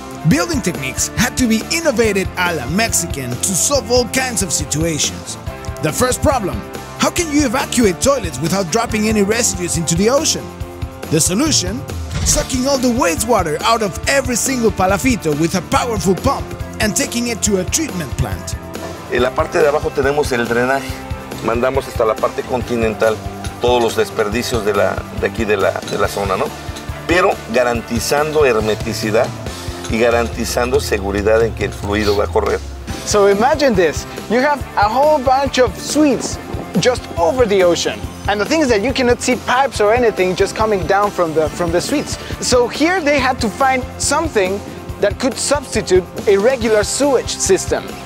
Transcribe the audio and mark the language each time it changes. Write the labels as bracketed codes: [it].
[en] Building techniques had to be innovated a la Mexican to solve all kinds of situations. The first problem, how can you evacuate toilets without dropping any residues into the ocean? The solution, sucking all the wastewater out of every single PALAFITO with a powerful pump and taking it to a treatment plant. [es] En la parte de abajo tenemos el drenaje. Mandamos hasta la parte continental todos los desperdicios de aquí de la zona, ¿no? Pero garantizando hermeticidad y garantizando seguridad en que el fluido va a correr. [en] So imagine this, you have a whole bunch of suites just over the ocean. And the thing is that you cannot see pipes or anything just coming down from the suites. So here they had to find something that could substitute a regular sewage system.